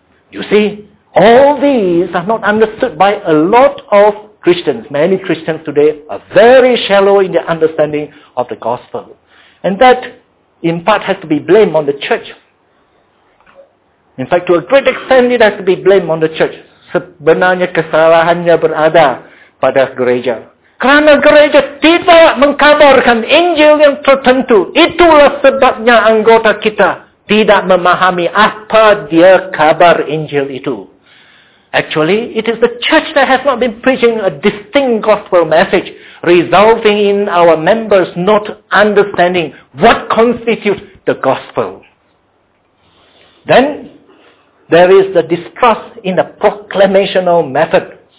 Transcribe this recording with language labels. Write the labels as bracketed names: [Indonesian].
[English] You see, all these are not understood by a lot of Christians. Many Christians today are very shallow in their understanding of the gospel. And that, in part, has to be blamed on the church. In fact, to a great extent, it has to be blamed on the church. [Malay] Sebenarnya kesalahannya berada pada gereja. Kerana gereja tidak mengkabarkan Injil yang tertentu. Itulah sebabnya anggota kita tidak memahami apa dia kabar Injil itu. [English] Actually, it is the church that has not been preaching a distinct gospel message, resulting in our members not understanding what constitutes the gospel. Then, there is the distrust in the proclamational method.